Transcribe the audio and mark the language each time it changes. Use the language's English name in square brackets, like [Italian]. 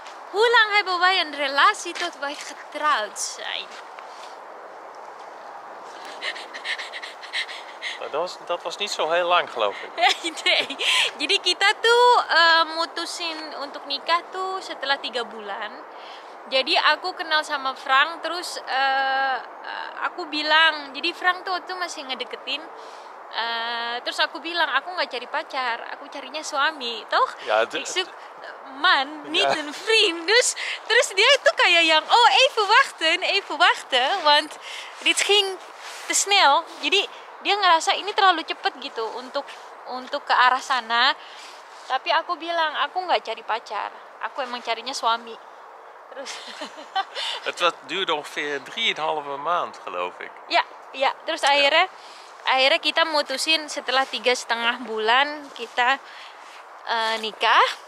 [Dutch] Hoe lang hebben wij een relatie tot wij getrouwd zijn? Dat was niet zo heel lang, geloof ik. Nee. [Indonesian] Jadi kita tuh mutusin untuk nikah tuh setelah 3 bulan. Jadi aku kenal sama Frank, terus aku bilang, jadi Frank tuh waktu masih ngedeketin, terus aku bilang, aku gak cari pacar, aku carinya suami, toch? [Dutch] Ja, man, niet een vriend. Dus, [Indonesian] terus dia itu kayak yang, [Dutch] oh even wachten, want dit ging te snel. [Indonesian] Jadi dia ngerasa ini terlalu cepet gitu untuk ke arah sana. Tapi aku bilang, aku gak cari pacar, aku emang carinya suami. [Dutch] Het duurde ongeveer 3,5 maand, geloof ik. Ja, ja. [Indonesian] Terus akhirnya, akhirnya kita mutusin setelah 3,5 bulan kita nikah.